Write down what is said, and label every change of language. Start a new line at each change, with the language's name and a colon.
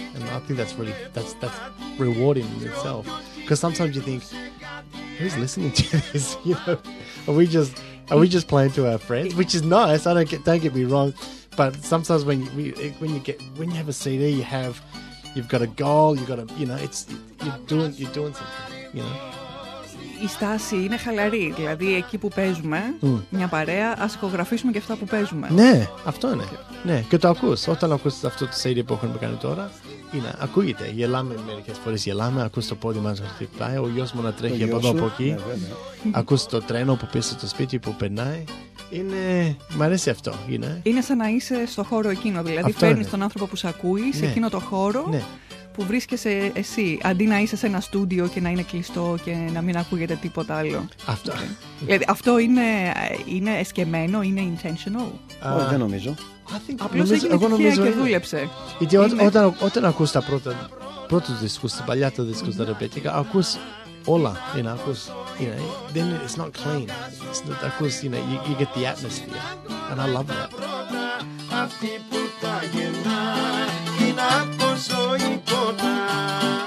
English: And I think that's rewarding in itself. Because sometimes you think, who's listening to this? You know, are we just playing to our friends? Which is nice. Don't get me wrong. But sometimes when you have a CD, you've got a goal. You've got a, you know, it's you're doing something, you know.
Greek: Η στάση είναι χαλαρή, δηλαδή εκεί που παίζουμε μια παρέα, ας ηχογραφήσουμε και αυτά που παίζουμε. Ναι, αυτό είναι. Ναι, και το ακούς. Όταν ακούς αυτό το CD που έχουμε κάνει τώρα, είναι, ακούγεται. Γελάμε μερικές φορές, γελάμε. Ακούς το πόδι μας να χτυπάει, ο γιος μου να τρέχει από εδώ από εκεί. Ακούς το τρένο που πίσω στο σπίτι που περνάει. Είναι, μ' αρέσει αυτό. Είναι. Είναι σαν να είσαι στο χώρο εκείνο. Δηλαδή, παίρνεις τον άνθρωπο που σε ακούει, ναι, σε εκείνο το χώρο. Ναι. Που βρίσκεσαι εσύ, αντί να είσαι σε ένα στούντιο και να είναι κλειστό και να μην ακούγεται τίποτα άλλο. Αυτό. Δηλαδή, αυτό είναι εσκεμμένο, είναι intentional? Όχι, δεν νομίζω. Απλώς έγινε τυχαία και δούλεψε. Γιατί όταν ακούς τα πρώτα δίσκους, τα παλιά τα δίσκους, τα ρεπέτικα, ακούς όλα. Ακούς,
English: you know, then it's not clean. It's not,
Greek: ακούς,
English: you know, you get the atmosphere. And I love that.
Greek: Αυτή που τα γεννά, είναι από ζωή κοντά.